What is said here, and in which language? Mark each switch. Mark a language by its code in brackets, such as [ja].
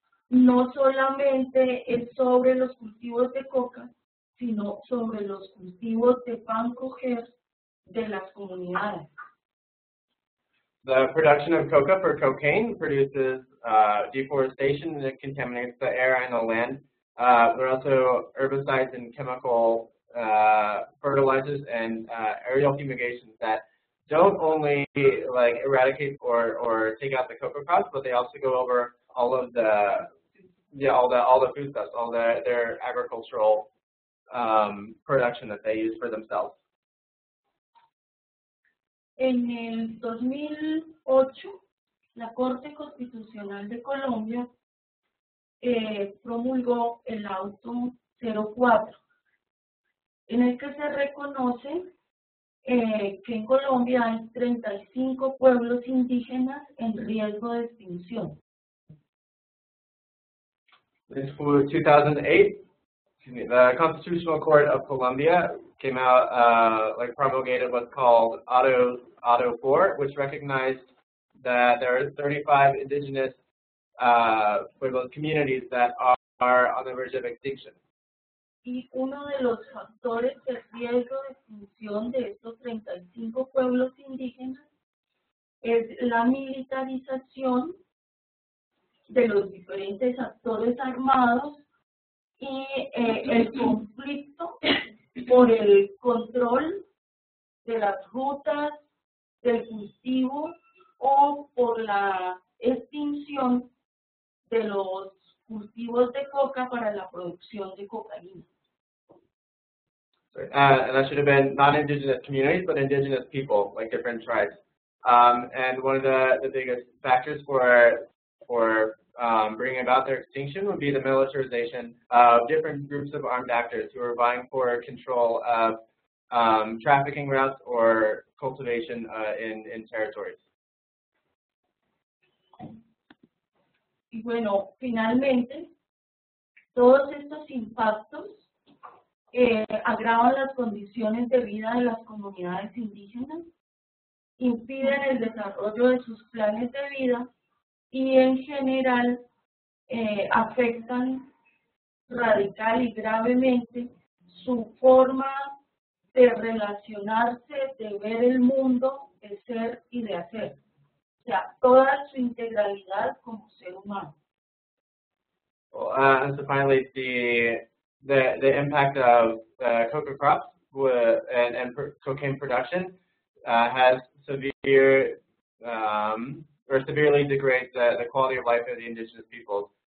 [es] no solamente es sobre los cultivos de coca, sino sobre los cultivos de pan coger de las comunidades. [en] The production of coca for cocaine produces deforestation that contaminates the air and the land. There are also herbicides and chemical fertilizers and aerial fumigations that don't only like eradicate or take out the coca crops, but they also go over all of the all the foodstuffs, all the their agricultural production that they use for themselves. [es] En el 2008, la Corte Constitucional de Colombia promulgó el auto 04, en el que se reconoce que en Colombia hay 35 pueblos indígenas en riesgo de extinción. En 2008, la [en] Constitutional Court of Colombia came out, like promulgated what's called Auto 4, which recognized that there are 35 indigenous pueblos communities that are on the verge of extinction. [es] Y uno de los factores de riesgo de extinción de estos 35 pueblos indígenas es la militarización de los diferentes actores armados y el conflicto por el control de las rutas del cultivo o por la extinción de los cultivos de coca para la producción de cocaína. [en] And that should have been non-indigenous communities, but indigenous people, like different tribes. And one of the biggest factors for bringing about their extinction would be the militarization of different groups of armed actors who are vying for control of trafficking routes or cultivation in territories. [es] Y bueno, finalmente, todos estos impactos agravan las condiciones de vida de las comunidades indígenas, impiden el desarrollo de sus planes de vida y en general afectan radical y gravemente su forma de relacionarse, de ver el mundo, de ser y de hacer. O sea, toda su integralidad como ser humano. [en] And so finally, the impact of the coca crops and cocaine production has severe or severely degrades the quality of life of the indigenous peoples.